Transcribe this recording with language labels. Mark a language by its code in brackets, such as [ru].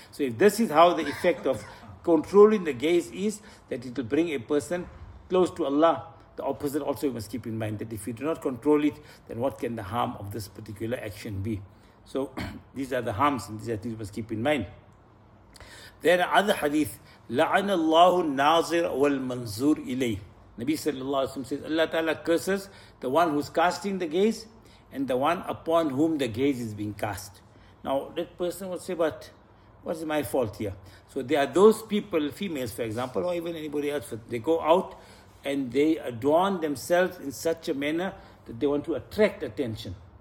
[en] So if this is how the effect of controlling the gaze is, that it will bring a person close to Allah, the opposite also you must keep in mind, that if you do not control it, then what can the harm of this particular action be? So these are the harms, and these are things you must keep in mind. Then another hadith, [ar] لَعَنَ اللَّهُ النَّاظِرَ وَالْمَنْزُورِ إِلَيْهِ. [en] Nabi sallallahu alayhi wa sallam says, Allah ta'ala curses the one who's casting the gaze and the one upon whom the gaze is being cast. Now that person will say, but what is my fault here? So there are those people, females for example, or even anybody else, they go out and they adorn themselves in such a manner that they want to attract attention.